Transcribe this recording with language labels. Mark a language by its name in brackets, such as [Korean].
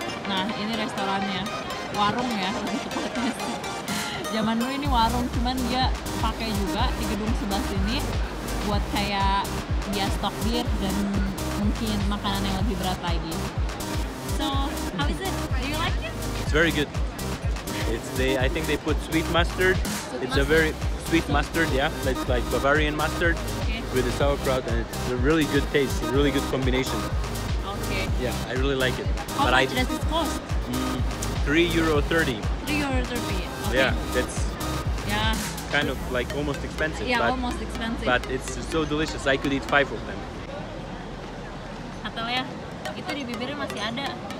[Indonesian] Nah, ini restorannya, warung ya lebih tepatnya. Zaman dulu ini warung, cuman dia pakai juga di gedung sebelah sini buat kayak dia stok bir dan mungkin makanan yang lebih berat lagi. [English] So, how is it? Do you like it? It's very good. It's they. I think they put sweet mustard. It's mustard. A very sweet mustard, yeah, it's like Bavarian mustard with the sauerkraut, and it's a really good taste, a really good combination. Okay. Yeah, I really like it. How but much does it cost? €3.30. €3.30, okay. Yeah, that's yeah. Kind of like almost expensive. Yeah, but, almost expensive. But it's so delicious, I could eat 5 of them. [Indonesian] Atau ya, itu di bibirnya masih ada.